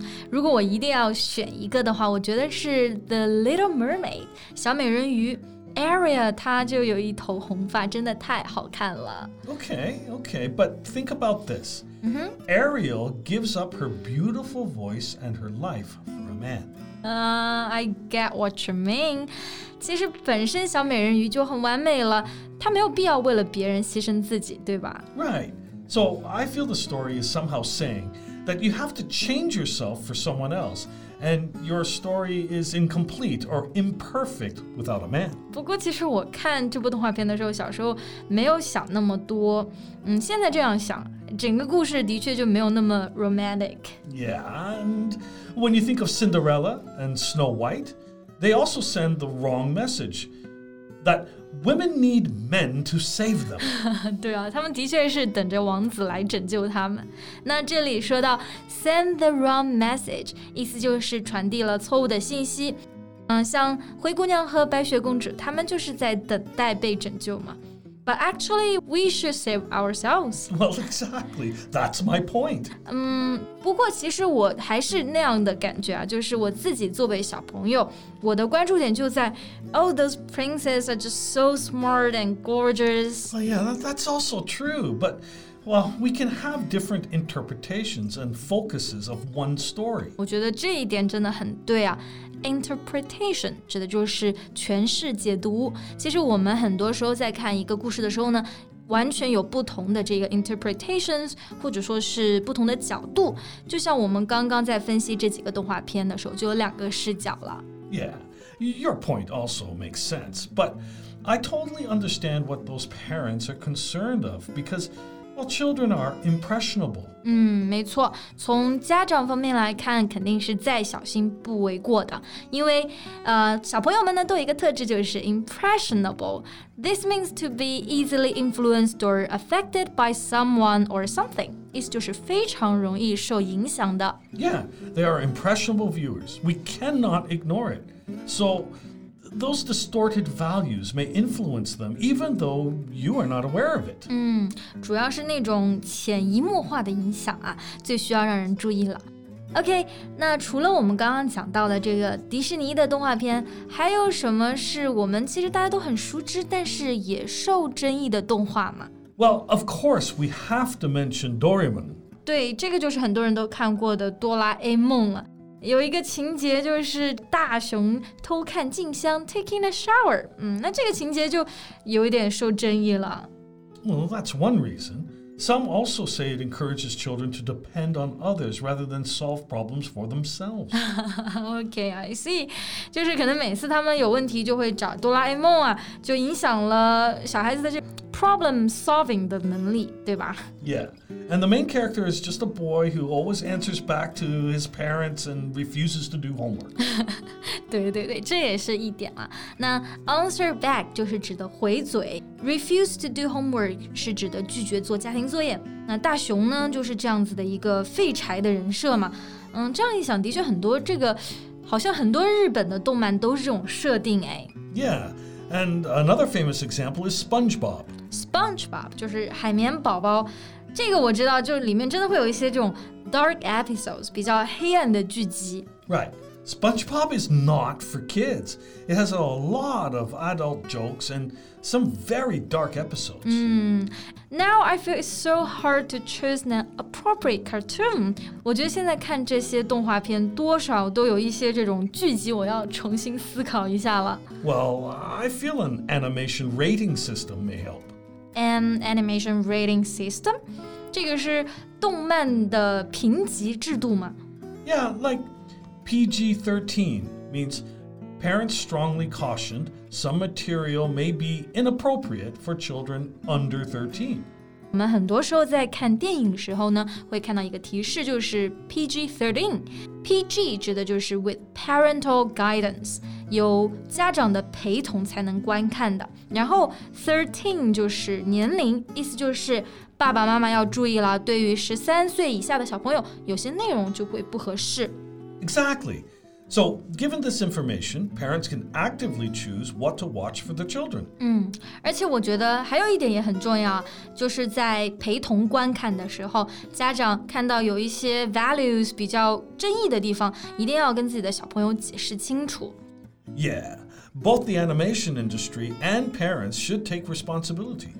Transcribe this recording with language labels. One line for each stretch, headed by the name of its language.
Chinese: 如果我一定要选一个的话我觉得是 The Little Mermaid 小美人鱼Aria, 她就有一头红发真的太好看了
English: Okay, but think about this、 mm-hmm. Ariel gives up her beautiful voice and her life for a man I get what you mean
Chinese: 其实本身小美人鱼就很完美了她没有必要为了别人牺牲自己对吧
English: Right, so I feel the story is somehow saying that you have to change yourself for someone elseAnd your story is incomplete or imperfect without a man.
Chinese: 不过其实我看这部动画片的时候小时候没有想那么多。现在这样想整个故事的确就没有那么 romantic.
English: Yeah, and when you think of Cinderella and Snow White, they also send the wrong message that women need men to save them.
Chinese: 对啊，他们的确是等着王子来拯救他们。那这里说到
English: send the wrong message，
Chinese: 意思就是传递了错误的信息。像灰姑娘和白雪公主，他们就是在等待被拯救嘛。
English: But actually, we should save ourselves. Well, exactly. That's my point.
Chinese: 不过其实我还是那样的感觉啊，就是我自己作为小朋友，我的关注点就在
English: Oh, those princes are just so smart and gorgeous. Well, yeah, that's also true. But, well, we can have different interpretations and focuses of one story.
Chinese: 我觉得这一点真的很对啊。Interpretation 指的就是诠释解读。其实我们很多时候在看一个故事的时候呢，完全有不同的这个 interpretations， 或者说是不同的角度。就像我们刚刚在分析这几个动画片的时候，就有两个视角了。
English: Yeah, your point also makes sense. But I totally understand what those parents are concerned of because... Well, children are impressionable.
Chinese: 没错，从家长方面来看，肯定是再小心不为过的。因为，小朋友们呢都有一个特质，就是 impressionable.
English: This means to be easily influenced or affected by someone or something.
Chinese: 意思就是非常容易受影响的。
English: Yeah, they are impressionable viewers. We cannot ignore it. So... Those distorted values may influence them, even though you are not aware of it.
Chinese: 主要是那种潜移默化的影响啊，最需要让人注意了。 OK, 那除了我们刚刚讲到的这个迪士尼的动画片，还有什么是我们其实大家都很熟知，但是也受争议的动画吗？
English: Well, of course, we have to mention Doraemon.
Chinese: 对，这个就是很多人都看过的哆啦 A 梦了。有一个情节就是大雄偷看静香
English: taking a shower.
Chinese: 那这个情节就有一点受争议了。
English: Well, that's one reason. Some also say it encourages children to depend on others rather than solve problems for themselves. Okay, I see.
Chinese: 就是可能每次他们有问题就会找哆啦 A 梦啊，就影响了小孩子的这
English: problem solving
Chinese: 的能力，对吧？
English: Yeah, and the main character is just a boy who always answers back to his parents and refuses to do homework.
Chinese: 对对对，这也是一点啊。那
English: answer back
Chinese: 就是指的回嘴，
English: refuse to do homework
Chinese: 是指的拒绝做家庭作业。那大雄呢，就是这样子的一个废柴的人设嘛。这样一想，的确很多这个，好像很多日本的动漫都是这种设定哎。
English: Yeah. And another famous example is SpongeBob.
Chinese: SpongeBob 就是海绵宝宝，这个我知道，就是里面真的会有一些这种
English: dark episodes，
Chinese: 比较黑暗的剧集。
English: Right, SpongeBob is not for kids. It has a lot of adult jokes and some very dark episodes. Now I feel it's so hard to choose an appropriate cartoon.
Chinese: 我觉得现在看这些动画片，多少都有一些这种剧集，我要重新思考一下了。
English: Well, I feel an animation rating system may help. An animation rating system?
Chinese: 这个是动漫的评级制度吗？
English: Yeah, like PG-13 means parents strongly cautioned some material may be inappropriate for children under 13.
Chinese: 我们很多时候在看电影时候呢，会看到一个提示，就是 PG-13.
English: PG
Chinese: 指的就是
English: with parental guidance.
Chinese: 有家长的陪同才能观看的，然后 13 就是年龄，意思就是爸爸妈妈要注意了，对于13岁以下的小朋友，有些内容就会不合适。
English: Exactly. So given this information, parents can actively choose what to watch for their children.
Chinese: 而且我觉得还有一点也很重要，就是在陪同观看的时候，家长看到有一些 values 比较争议的地方，一定要跟自己的小朋友解释清楚。
English: Yeah, both the animation industry and parents should take responsibility.